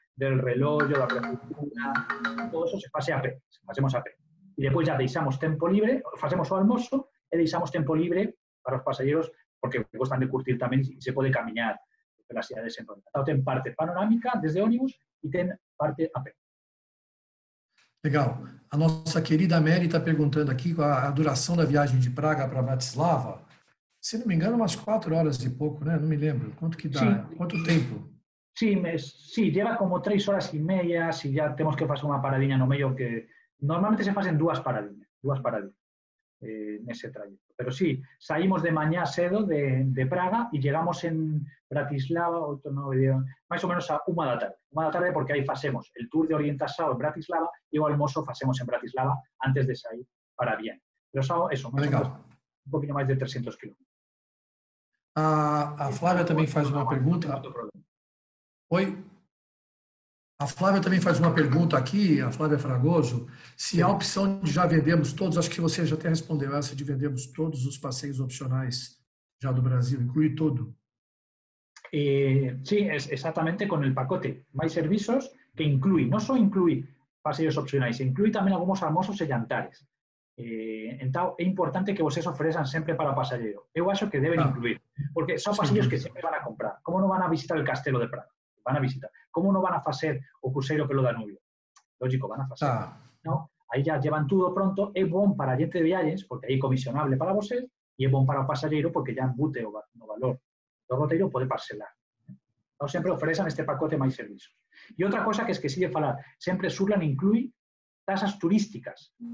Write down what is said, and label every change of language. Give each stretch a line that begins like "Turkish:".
Spanish: Del reloj, la prefectura, todo eso se pase a pé, se pasemos a pé. Y después ya dejamos tiempo libre, hacemos su almuerzo y dejamos tiempo libre para los pasajeros, porque gustan de curtir también y se puede caminar por la ciudad de Sendonia. Tienen parte panorámica desde ónibus y tienen parte a pé.
Portuguese: Legal. A nossa querida Mary está preguntando aquí a duração da viagem de Praga para Bratislava. Se não me engano, umas 4 horas e pouco, né? Não me lembro. Quanto que dá? Sim. Quanto tempo?
Spanish: Sí, lleva como 3 horas y media, si ya tenemos que hacer una paradilla en el medio, que normalmente se hacen dos paradillas en ese trayecto. Pero sí, salimos de mañana cedo de Praga y llegamos en Bratislava, más o menos a 1 de la tarde. 1 de la tarde porque ahí hacemos el tour de orientación en Bratislava y el almuerzo hacemos en Bratislava antes de salir para Viena. Pero eso, un poquito más de 300 kilómetros. A Flávia también hace una pregunta.
Portuguese: Oi, a Flávia também faz uma pergunta aqui, a Flávia Fragoso, se há opção de já vendermos todos, acho que você já até respondeu essa, de vendermos todos os passeios opcionais já do Brasil, inclui tudo. Sim, exatamente com o pacote, mais serviços que inclui, não só inclui passeios opcionais, inclui também alguns almoços e jantares. Então, é importante que vocês ofereçam sempre para o passageiro. Eu acho que devem incluir, porque são passeios que sempre vão comprar. Como não vão visitar o Castelo de Praga?
Spanish: Van a visitar. ¿Cómo no van a hacer o crucero pelo Danubio? Lógico, van a hacer. ¿No?
Portuguese: Aí já levam tudo pronto. É bom para a gente de viagens, porque aí é comissionável para vocês, e é bom para o passageiro, porque já embute o valor do roteiro, pode parcelar. Então, sempre oferecem este pacote mais serviços. E outra coisa que esqueci de falar, sempre Surland inclui taxas turísticas.